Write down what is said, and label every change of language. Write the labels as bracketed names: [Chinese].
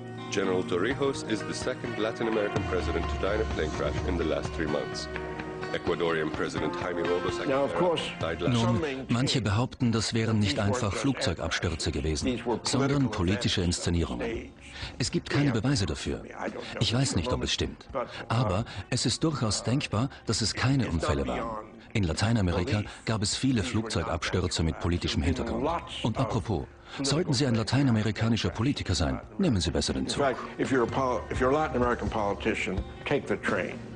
[English] General Torrijos is the second Latin American president to die in a plane crash in the last 3 months. Ecuadorian President Jaime Robles. Now, of course, [German] nun, manche behaupten, das wären nicht einfach Flugzeugabstürze gewesen, sondern politische Inszenierungen. Es gibt keine Beweise dafür. Ich weiß nicht, ob es stimmt. Aber es ist durchaus denkbar, dass es keine Unfälle waren. In Lateinamerika gab es viele Flugzeugabstürze mit politischem Hintergrund. Und apropos, sollten Sie ein lateinamerikanischer Politiker sein, nehmen Sie besser den Zug. [English] If you're a Latin American politician, take the train.